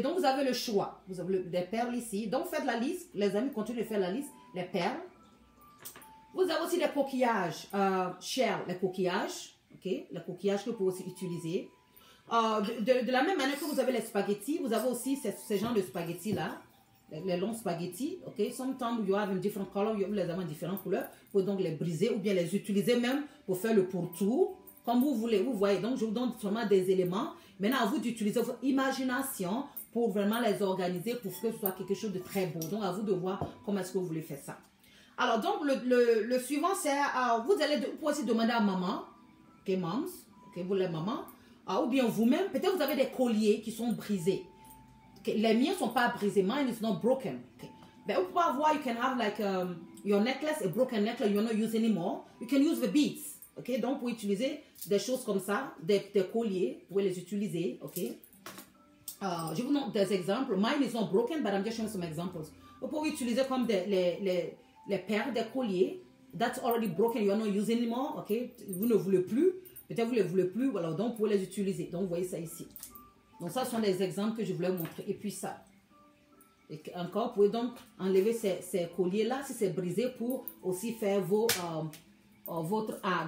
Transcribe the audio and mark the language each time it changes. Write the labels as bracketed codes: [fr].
[fr] Donc, vous avez le choix. Vous avez des perles ici. Donc, faites la liste. Les amis, continuez de faire la liste. Les perles. Vous avez aussi des coquillages, shells, les coquillages, ok? Les coquillages que vous pouvez aussi utiliser. De la même manière que vous avez les spaghettis, vous avez aussi ce genre de spaghettis-là. Les longs spaghettis, ok? [en] Sometimes you have a different color, you have different couleurs. [fr] Vous pouvez donc les briser ou bien les utiliser même pour faire le pourtour. Comme vous voulez, vous voyez. Donc, je vous donne seulement des éléments. Maintenant, à vous d'utiliser votre imagination pour vraiment les organiser pour que ce soit quelque chose de très beau. Donc, à vous de voir comment est-ce que vous voulez faire ça. Alors, donc, le suivant, c'est, vous pouvez aussi demander à maman, ok, moms, ok, vous les mamans, ou bien vous-même, peut-être vous avez des colliers qui sont brisés. Les miens ne sont pas brisés. [en] Mine is not broken. Okay. [fr] Mais vous pouvez avoir, [en] you can have like your necklace, a broken necklace you're not using anymore. You can use the beads. Okay? [fr] Donc, pour utiliser des choses comme ça, des colliers, vous pouvez les utiliser. Okay? Je vous donne des exemples. [en] Mine is not broken, but I'm just showing some examples. [fr] Vous pouvez utiliser comme les paires de colliers. [en] That's already broken, you're not using anymore. Okay? [fr] Vous ne voulez plus. Peut-être vous ne voulez plus. Voilà, donc, vous pouvez les utiliser. Donc, vous voyez ça ici. Donc, ça, ce sont des exemples que je voulais vous montrer. Et puis, ça. Et encore, vous pouvez donc enlever ces colliers-là, si c'est brisé, pour aussi faire votre art.